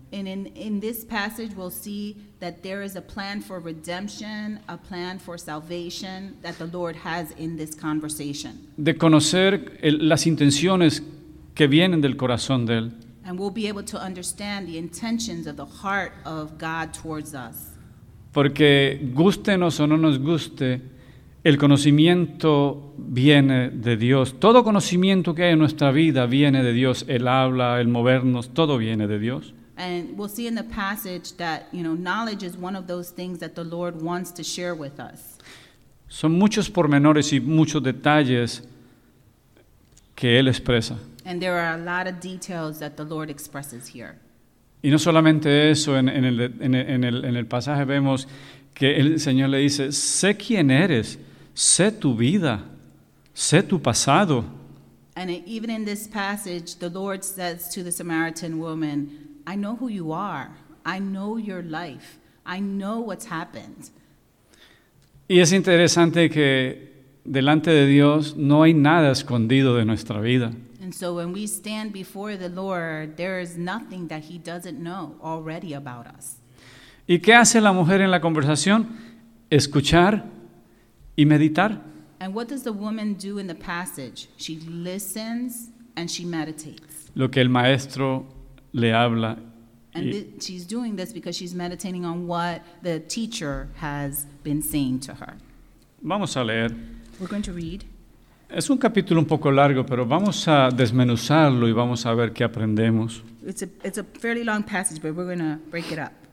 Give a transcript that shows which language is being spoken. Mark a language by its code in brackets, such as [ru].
[en] And in this passage, we'll see that there is a plan for redemption, a plan for salvation that the Lord has in this conversation. [es] De conocer las intenciones que vienen del corazón de Él. [en] And we'll be able to understand the intentions of the heart of God towards us. [es] Porque gústenos o no nos guste, el conocimiento viene de Dios. Todo conocimiento que hay en nuestra vida viene de Dios. El habla, el movernos, todo viene de Dios. [en] And we'll see in the passage that, you know, knowledge is one of those things that the Lord wants to share with us. [es] Son muchos pormenores y muchos detalles que Él expresa. [en] And there are a lot of details that the Lord expresses here. [es] Y no solamente eso, en el pasaje vemos que el Señor le dice, sé quién eres, sé tu vida, sé tu pasado. [en] And even in this passage, the Lord says to the Samaritan woman, I know who you are, I know your life, I know what's happened. [es] Y es interesante que delante de Dios no hay nada escondido de nuestra vida. [en] And so when we stand before the Lord, there is nothing that he doesn't know already about us. [es] ¿Y qué hace la mujer en la conversación? Escuchar y meditar. [en] And what does the woman do in the passage? She listens and she meditates. [es] Lo que el maestro le habla. [en] And she's doing this because she's meditating on what the teacher has been saying to her. [es] Vamos a leer. [en] We're going to read. [es] Es un capítulo un poco largo, pero vamos a desmenuzarlo y vamos a ver qué aprendemos. [en] It's a fairly long passage, but we're going to break it up.